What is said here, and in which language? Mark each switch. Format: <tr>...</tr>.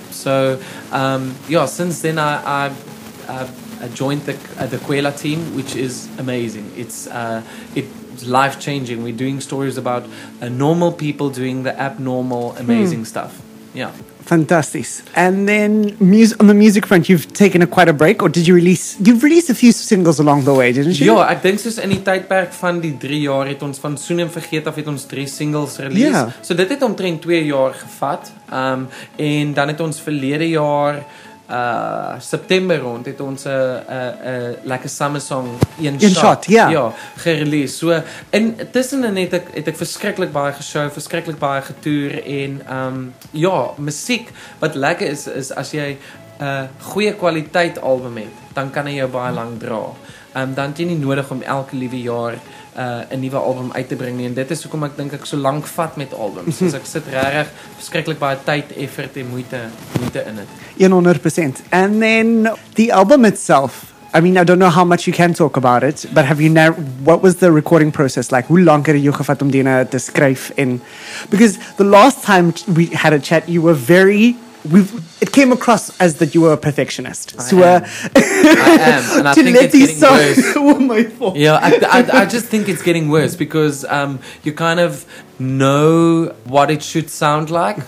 <en>So since then I joined the Kwela team, which is amazing. It's life-changing. We're doing stories about normal people doing the abnormal amazing stuff. Yeah. Fantastic. And then on the music front, you've taken quite a break, or did you release? You've released a few singles along the way, didn't you?</en> <af>Ja, ek dink soos in die tydperk van die 3 jaar het ons van Soen en Vergeet af het ons 3 singles release.</af> <en>Yeah.</en> <af>So dit het omtrent 2 jaar gevat. En dan het ons verlede jaar September rond het ons 'n lekker</af> <en>summer song</en> <af>in shot.</af> <en>Yeah.</en> <af>Ja, gerelease. So en tussenin het ek verskriklik baie geshow, verskriklik baie getoer en musiek. Wat lekker is as jy 'n goeie kwaliteit album het, dan kan hy jou baie lang dra. Dan het jy nie nodig om elke liewe jaar 'n nuwe album uit te bring nie. En dit is hoekom ek dink ek so lank vat met albums. So ek sit regtig verskriklik baie tyd, effort en moeite in dit. 100%.</af> <en>And then the album itself, I mean, I don't know how much you can talk about it, but what was the recording process like?</en> <af>Hoe lank het jy gevat om dit te skryf?</af> <en>Because the last time we had a chat, you were very... It came across as that you were a perfectionist. I am. And I think it's getting worse. Oh my fault. Yeah, I just think it's getting worse because you kind of know what it should sound like.</en>